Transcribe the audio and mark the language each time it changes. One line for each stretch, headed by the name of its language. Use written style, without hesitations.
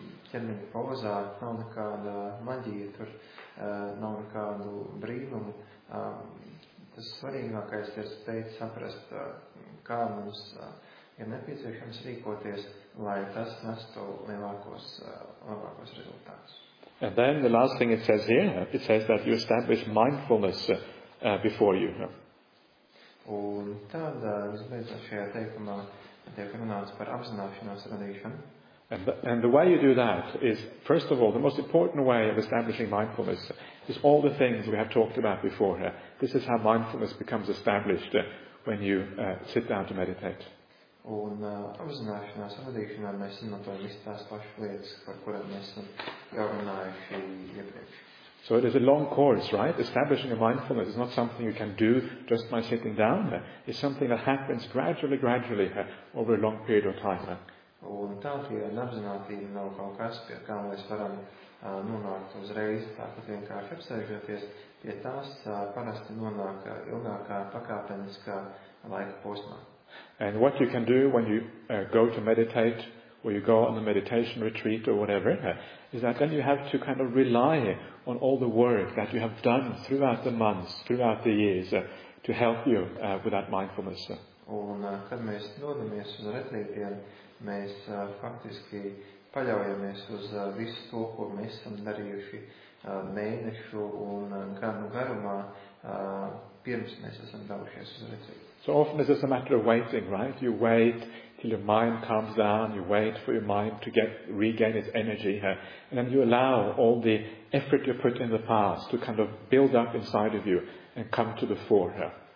Latvian: Ķermeņa pozā nav nekāda maģija, tur nav nekādu brīvumu. Tas svarīgākais ir spēt saprast, kā mums ir nepieciešams rīkoties, lai tas nestu labākos rezultātus.
English: And then the last thing it says here, it says that you establish mindfulness before you.
Latvian: Un tad visbeidzot šajā teikumā tiek runāts par apzināšanos radīšanu.
English: And the way you do that is, first of all, the most important way of establishing mindfulness is all the things we have talked about before. This is how mindfulness becomes established when you sit down to meditate.
Latvian: Un apzināšanās radīšanā mēs izmantojam visu tās pašas lietas, par kurām mēs esam jau runājuši iepriekš.
English: So it is a long course, right? Establishing a mindfulness is not something you can do just by sitting down. It's something that happens gradually over a long period of time.
Latvian: Un tādējā neapzinātība nav kaut kas, pie kā mēs varam nonākt uzreiz, tāpat vienkārši apsēžoties, pie tās parasti nonāk ilgākā pakāpeniskā laika posmā.
English: And what you can do when you go to meditate, or you go on a meditation retreat or whatever, is that then you have to kind of rely on all the work that you have done throughout the months, throughout the years, to help you with that mindfulness.
Latvian: Un kad mēs dodamies uz retrītiem, mēs faktiski paļaujamies uz visu to, ko mēs esam darījuši mēnešu un gadu garumā, pirms mēs esam devušies uz retrītu.
English: So often it's a matter of waiting, right? You wait till your mind calms down, you wait for your mind to regain its energy, and then you allow all the effort you put in the past to kind of build up inside of you and come to the fore.